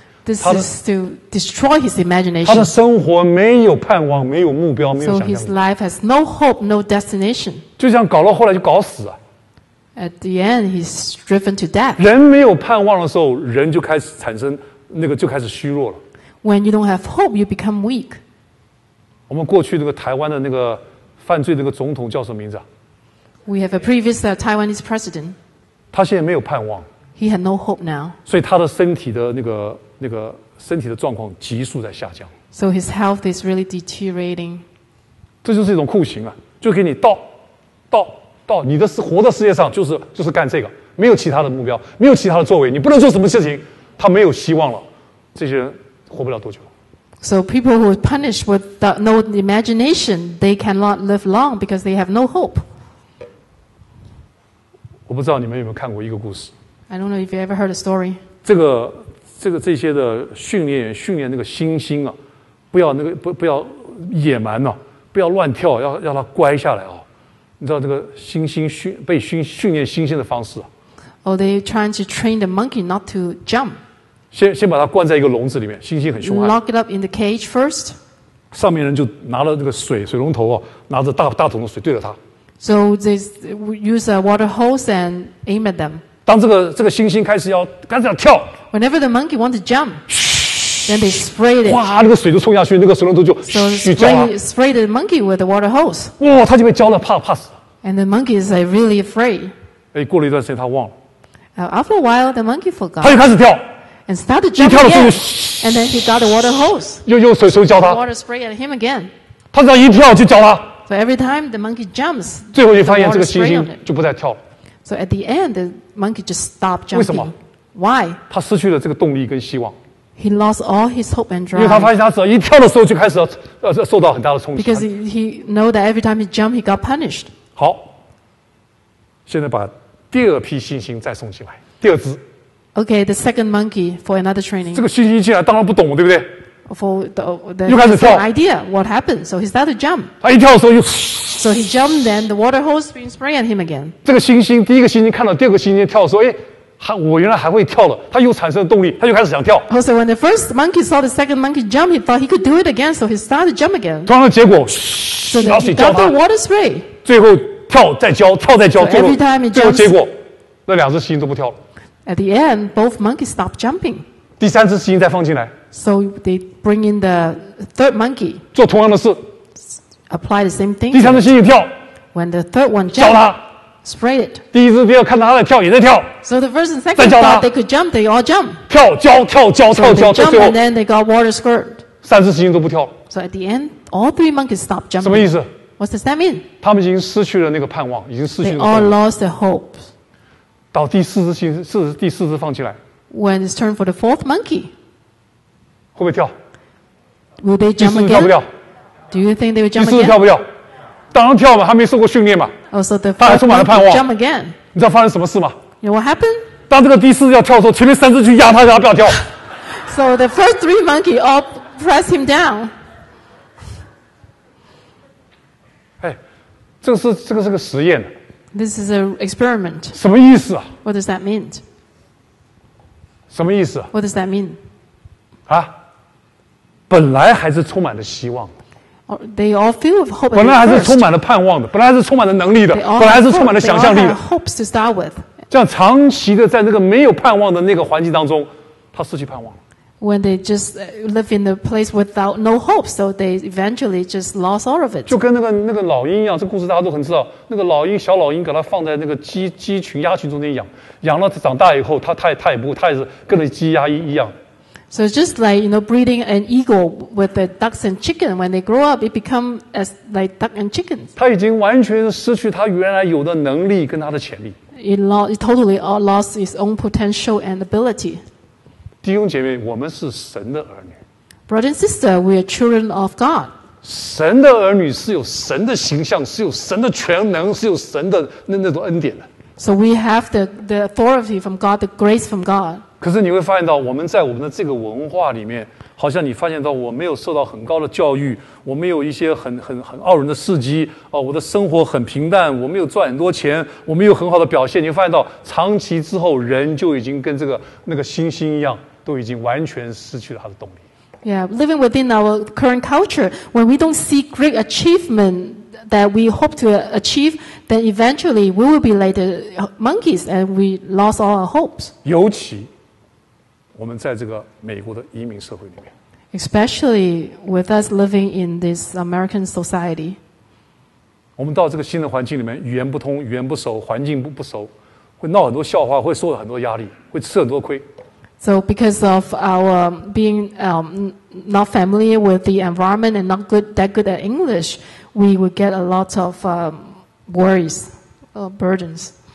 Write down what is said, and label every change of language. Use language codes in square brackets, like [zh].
[en] This is to destroy his imagination. [zh] 他的生活没有盼望，没有目标，没有想象力。 [en] So his life has no hope, no destination. [zh] 就这样搞到后来就搞死了。 [en] At the end, he's driven to death. [zh] 人没有盼望的时候，人就开始产生那个，就开始虚弱了。 [en] When you don't have hope, you become weak. [zh] 我们过去那个台湾的那个犯罪那个总统叫什么名字啊 [en] ？We have a previous Taiwanese president. [zh] 他现在没有盼望。 [en] He had no hope now. [zh] 所以他的身体的那个身体的状况急速在下降。 [en] So his health is really deteriorating. [zh] 这就是一种酷刑啊！就给你倒，倒。到你的活的世界上就是干这个，没有其他的目标，没有其他的作为，你不能做什么事情，他没有希望了，这些人活不了多久。 [en] So people who are punished with no imagination, they cannot live long because they have no hope. [zh] 我不知道你们有没有看过一个故事。 [en] I don't know if you ever heard a story. [zh] 这些的训练那个猩猩啊，不要那个不要野蛮呐、啊，不要乱跳，要让它乖下来啊。你知道这个猩猩被训练猩猩的方式、啊、 [en] ？Oh, they trying to train the monkey not to jump. [zh] 先把它关在一个笼子里面，猩猩很凶悍。 [en] Lock it up in the cage first. [zh] 上面人就拿了这个水龙头、啊、拿着大桶的水对着它。 [en] So they use a water hose and aim at them. [zh] 当这个猩猩开始要跳 [en] ，Whenever the monkey want to jump, then they spray it. [zh] 哇，那个水就冲下去，那个水龙头就去浇了。 [en] So spray the monkey with the water hose. [zh] 哇，他就被浇了，怕死。 [en] And the monkey is like really afraid. [zh] 哎，过了一段时间，他忘了。 [en] After a while, the monkey forgot. [zh] 他就开始跳。 [en] And started jumping. [zh] 一跳的时候就， [en] and then he got the water hose. [zh] 用水浇他。 [en] Water spray at him again. [zh] 他只要一跳就浇他。 [en] So every time the monkey jumps, [zh] 最后就发现这个猩猩就不再跳了。 [en] So at the end, the monkey just stopped jumping. [zh] 为什么 [en] ？Why? [zh] 他失去了这个动力跟希望。 [en] He lost all his hope and drive. [zh] 因为他发现他只要一跳的时候就开始受到很大的冲击。 [en] Because he know that every time he jumped, he got punished. [zh] 好，现在把第二批猩猩再送进来，第二只。 [en] Okay, the second monkey for another training. [zh] 这个猩猩进来当然不懂，对不对 [en] ？For the [zh] 又开始跳。 [en] Idea what happened? So he started to jump. [zh] 他一跳的时候又。 [en] So he jumped, then the water hose being sprayed at him again. [zh] 这个猩猩第一个猩猩看到第二个猩猩跳的时候，哎。我原来还会跳的，他又产生动力，他就开始想跳。 [en] So when the first monkey saw the second monkey jump, he thought he could do it again, so he started to jump again. [zh] 突然的结果，拿水浇他。 [en] Got the water spray. [zh] 最后跳再浇，跳再浇。 [en] Every time he jumps. [zh] 最后结果，那两只猩猩都不跳了。 [en] At the end, both monkeys stopped jumping. [zh] 第三只猩猩再放进来。 [en] So they bring in the third monkey. [zh] 做同样的事。 [en] Apply the same thing. [zh] 第三只猩猩跳。 [en] When the third one jumps. [zh] 浇他。 [en] Spray it. [zh] 第一只、第二看到他在跳，也在跳。 [en] So the first and second thought they could jump, they all jump. [zh] 跳，浇，跳，浇，跳，浇，最后。 [en] They jump and then they got water squirt. [zh] 三只猩猩都不跳了。 [en] So at the end, all three monkeys stopped jumping. [zh] 什么意思 [en] ？What does that mean? [zh] 他们已经失去了那个盼望，已经失去了。 [en] They all lost their hope. [zh] 到第四只放进来。 [en] When it's turn for the fourth monkey, [zh] 会不会跳 [en] ？Will they jump again? [zh] 第四只跳不掉。 [en] Do you think they will jump again? [zh] 第四只跳不掉。当然跳嘛，他没受过训练嘛。 [en] Oh, so、 [zh] 他还充满了盼望。 [en] Jump again. [zh] 你知道发生什么事吗 [en] ？You know what happened? [zh] 当这个第四只要跳的时候，前面三只去压他，让他不要跳。 [en] So the first three monkeys all press him down. [zh] 哎，这个是个实验。 [en] This is an experiment. [zh] 什么意思啊 [en] ？What does that mean? [zh] 什么意思 [en] ？What does that mean? [zh] 啊，本来还是充满了希望的。 [en] They all feel of hope. [zh] 本来还是充满了盼望的，本来还是充满了能力的，本来还是充满了想象力的。 [en] They all have hopes to start with. [zh] 这样长期的在那个没有盼望的那个环境当中，他失去盼望了。 [en] When they just live in a place without no hope, so they eventually just lost all of it. [zh] 就跟那个老鹰一样，这故事大家都很知道。那个老鹰，小老鹰，给它放在那个鸡群、鸭群中间养，养了长大以后，它也是跟着鸡鸭一样。 [en] So just like, you know, breeding an eagle with the ducks and chickens, when they grow up, it becomes as like duck and chickens. [zh] 它已经完全失去它原来有的能力跟它的潜力。 [en] It totally lost its own potential and ability. [zh] 弟兄姐妹，我们是神的儿女。 [en] Brother and sister, we are children of God. [zh] 神的儿女是有神的形象，是有神的全能，是有神的那种恩典的。 [en] So we have the authority from God, the grace from God. [zh] 可是你会发现到，我们在我们的这个文化里面，好像你发现到我没有受到很高的教育，我没有一些很傲人的事迹，我的生活很平淡，我没有赚很多钱，我没有很好的表现，你会发现到长期之后，人就已经跟这个那个星星一样，都已经完全失去了他的动力。 [en] Yeah, living within our current culture, when we don't see great achievement that we hope to achieve, then eventually we will be like the monkeys and we lost all our hopes. [zh] 尤其我们在这个美国的移民社会里面。 [en] Especially with us living in this American society. [zh] 我们到这个新的环境里面，语言不通，语言不熟，环境不熟，会闹很多笑话，会受很多压力，会吃很多亏。 [en] So because of our being not familiar with the environment and not that good at English, we would get a lot of worries, burdens.